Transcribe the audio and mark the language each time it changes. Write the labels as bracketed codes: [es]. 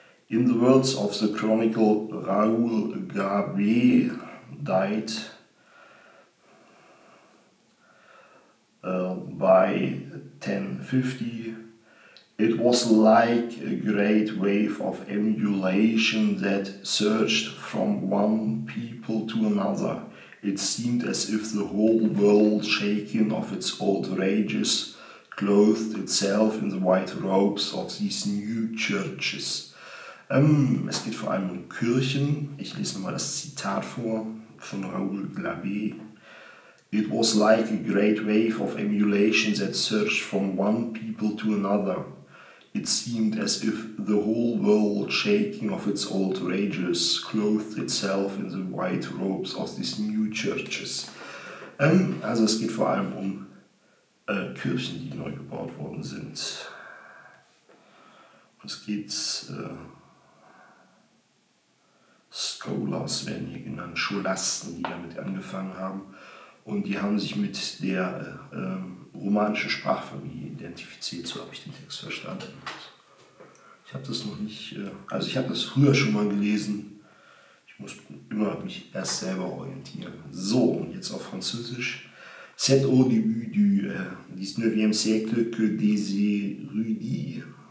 [en] In the words of the chronicle Raoul Gabier, died by 1050, it was like a great wave of emulation that surged from one people to another. It seemed as if the whole world, shaken of its old rages, clothed itself in the white robes of these new churches. [de] Es geht vor allem um Kirchen. Ich lese nochmal das Zitat vor von Raoul Gabier. [en] It was like a great wave of emulation that surged from one people to another. It seemed as if the whole world, shaking of its old rages, clothed itself in the white robes of these new churches. [de] Also es geht vor allem um Kirchen, die neu gebaut worden sind. Es geht Scholars werden hier genannt, Scholasten, die damit angefangen haben. Und die haben sich mit der romanischen Sprachfamilie identifiziert, so habe ich den Text verstanden. Ich habe das noch nicht, also ich habe das früher schon mal gelesen. Ich muss immer mich erst selber orientieren. So, und jetzt auf Französisch. [fr] C'est au début du 19e siècle que des érudits.